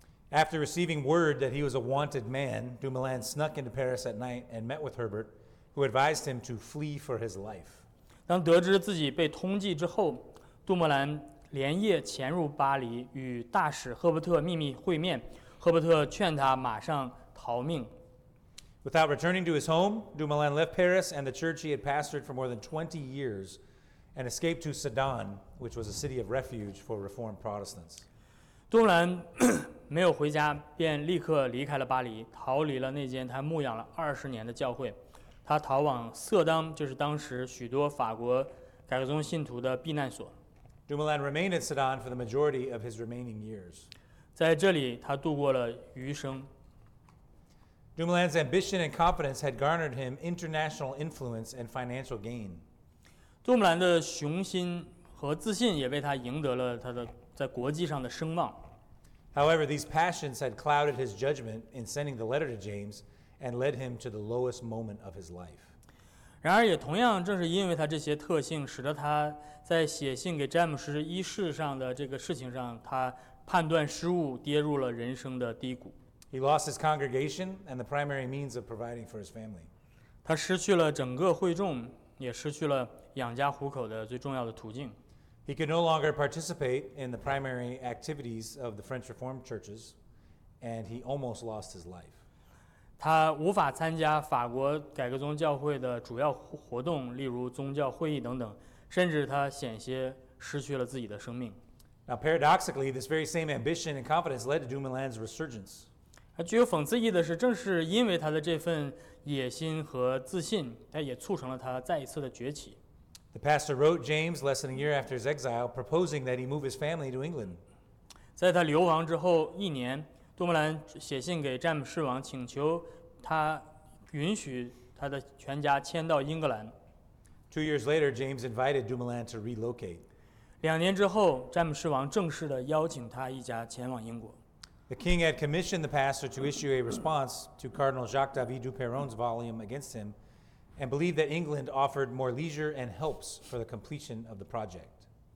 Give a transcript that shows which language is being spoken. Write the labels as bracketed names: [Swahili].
[English] After receiving word that he was a wanted man, Dumoulin snuck into Paris at night and met with Herbert, who advised him to flee for his life. [Chinese] 当得知自己被通缉之后，杜穆兰连夜潜入巴黎，与大使赫伯特秘密会面。赫伯特劝他马上逃命。 [English] Without returning to his home, Dumoulin left Paris and the church he had pastored for more than 20 years and escaped to Sedan, which was a city of refuge for Reformed Protestants. [Chinese] 杜穆兰没有回家，便立刻离开了巴黎，逃离了那间他牧养了二十年的教会。他逃往色当，就是当时许多法国改革宗信徒的避难所。 [English] Dumoulin remained in Sedan for the majority of his remaining years. [Chinese] 在这里他度过了余生。 [English] Dumoulin's ambition and confidence had garnered him international influence and financial gain. [Chinese] 杜姆兰的雄心和自信也为他赢得了他的在国际上的声望。 [English] However, these passions had clouded his judgment in sending the letter to James and led him to the lowest moment of his life. [Chinese] 然而也同样正是因为他这些特性使得他在写信给詹姆斯一事上的这个事情上他判断失误跌入了人生的低谷。 [English] He lost his congregation and the primary means of providing for his family. [Chinese] 他失去了整个会众也失去了养家糊口的最重要的途径。 [English] He could no longer participate in the primary activities of the French Reformed churches, and he almost lost his life. [Chinese] 他无法参加法国改革宗教会的主要活动，例如宗教会议等等，甚至他险些失去了自己的生命。 [English] Now, paradoxically, this very same ambition and confidence led to Dumoulin's resurgence. [Chinese] 具有讽刺意义的是，正是因为他的这份野心和自信，他也促成了他再一次的崛起。 [English] The pastor wrote James less than a year after his exile, proposing that he move his family to England. [Chinese] 在他流亡之后一年，杜姆兰写信给詹姆士王，请求他允许他的全家迁到英格兰。 [English] Two years later, James invited Dumoulin to relocate. [Chinese] 两年之后，詹姆士王正式的邀请他一家前往英国。 [English] The king had commissioned the pastor to issue a response to Cardinal Jacques David du Perron's volume against him. And believed that England offered more leisure and helps for the completion of the project.